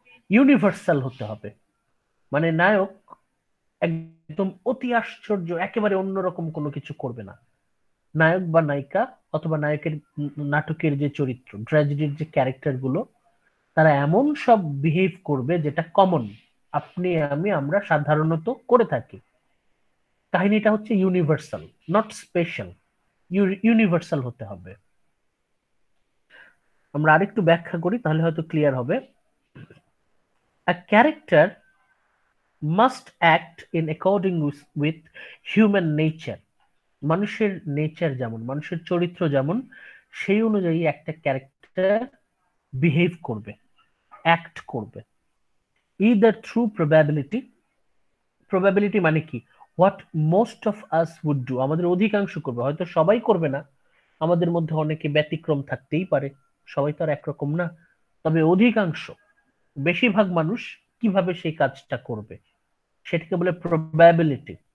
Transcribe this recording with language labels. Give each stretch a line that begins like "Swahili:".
Bangla: Universal হতে হবে মানে নায়ক একদম অতি আশ্চর্য, একেবারে অন্যরকম কোনো কিছু করবে না, নায়ক বা নায়িকা অথবা নায়কের নাটকের যে চরিত্র, ট্র্যাজেডির যে ক্যারেক্টার গুলো, তারা এমন সব বিহেভ করবে যেটা কমন আপনি আমি আমরা সাধারণত করে থাকি। কাহিনীটা হচ্ছে ইউনিভার্সাল,
English: not special,
Bangla: ইউনিভার্সাল হতে হবে। আমরা আরেকটু ব্যাখ্যা করি তাহলে হয়তো ক্লিয়ার হবে।
English: A character must act in according with human nature.
Bangla: মানুষের নেচার যেমন, মানুষের চরিত্র যেমন, সেই অনুযায়ী একটা ক্যারেক্টার বিহেভ করবে, অ্যাক্ট করবে,
English: Either through probability.
Bangla: প্রবাবিলিটি মানে কি?
English: what most of us would do,
Bangla: আমাদের অধিকাংশ করবে, হয়তো সবাই করবে না, আমাদের মধ্যে অনেকে ব্যতিক্রম থাকতেই পারে, সবাই তো আর একরকম না, তবে অধিকাংশ, বেশিরভাগ মানুষ কিভাবে সেই কাজটা করবে সেটাকে বলে প্রবাবিলিটি।